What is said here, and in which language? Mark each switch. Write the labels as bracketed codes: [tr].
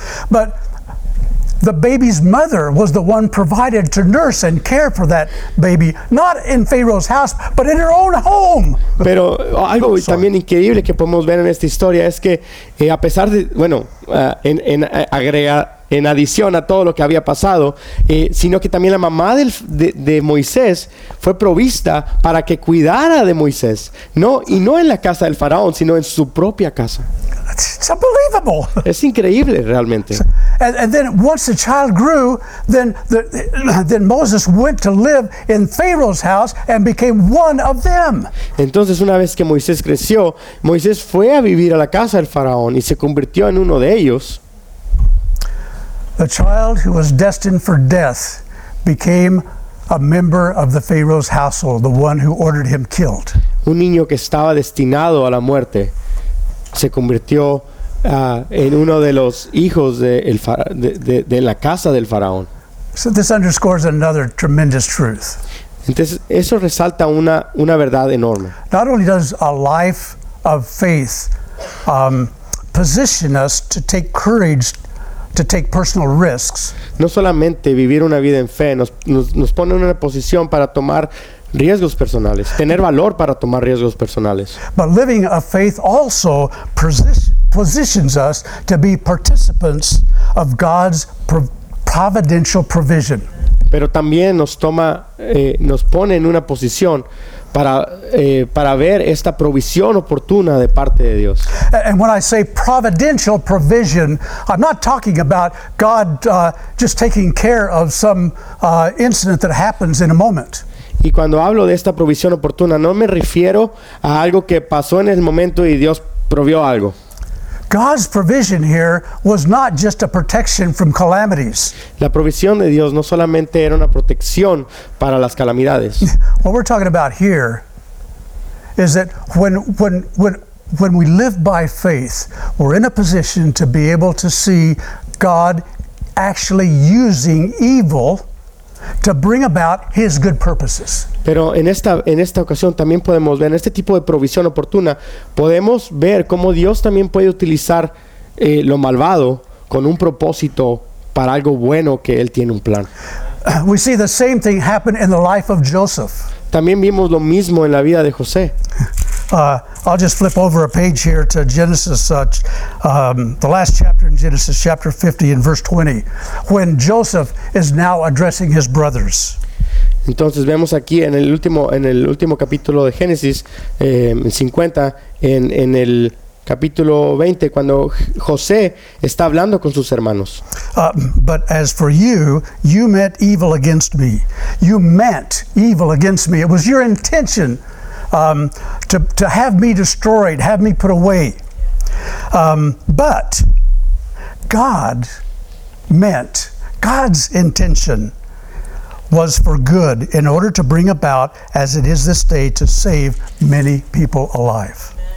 [en] But the baby's mother was the one provided to nurse and care for that baby, not in Pharaoh's house, but in her own home. [es] Pero algo también increíble que podemos ver en esta historia es que a pesar de, bueno, en adición a todo lo que había pasado, sino que también la mamá de Moisés fue provista para que cuidara de Moisés, no, y no en la casa del faraón, sino en su propia casa. [en] It's unbelievable. [es] Es increíble realmente. [en] And then once the child grew, then Moses went to live in Pharaoh's house and became one of them. [es] Entonces una vez que Moisés creció, Moisés fue a vivir a la casa del faraón y se convirtió en uno de ellos. [en] The child who was destined for death became a member of the Pharaoh's household, the one who ordered him killed. [es] Un niño que estaba destinado a la muerte se convirtió en uno de los hijos de la casa del faraón. [en] So this underscores another tremendous truth. [es] Entonces, eso resalta una verdad enorme. [en] Not only does a life of faith position us to take courage to take personal risks. [es] No solamente vivir una vida en fe nos pone en una posición para tomar riesgos personales, tener valor para tomar riesgos personales. [en] But living a faith also positions us to be participants of God's providential provision. [es] Pero también nos pone en una posición para ver esta provisión oportuna de parte de Dios. [en] And when I say providential provision, I'm not talking about God just taking care of some incident that happens in a moment. [es] Y cuando hablo de esta provisión oportuna, no me refiero a algo que pasó en el momento y Dios provió algo. [en] God's provision here was not just a protection from calamities. [es] La provisión de Dios no solamente era una protección para las calamidades. [en] What we're talking about here is that when we live by faith, we're in a position to be able to see God actually using evil to bring about his good purposes. [es] Pero en esta ocasión también podemos ver, en este tipo de provisión oportuna, podemos ver cómo Dios también puede utilizar lo malvado con un propósito para algo bueno que él tiene un plan. [en] We see the same thing happen in the life of Joseph. [es] También vimos lo mismo en la vida de José. [en] I'll just flip over a page here to Genesis, the last chapter in Genesis, chapter 50 and verse 20, when Joseph is now addressing his brothers. [es] Entonces vemos aquí en el último capítulo de Génesis, 50, en el capítulo 20, cuando José está hablando con sus hermanos. [en] But as for you, you meant evil against me. You meant evil against me. It was your intention to have me destroyed, have me put away. But God meant, God's intention was for good in order to bring about, as it is this day, to save many people alive.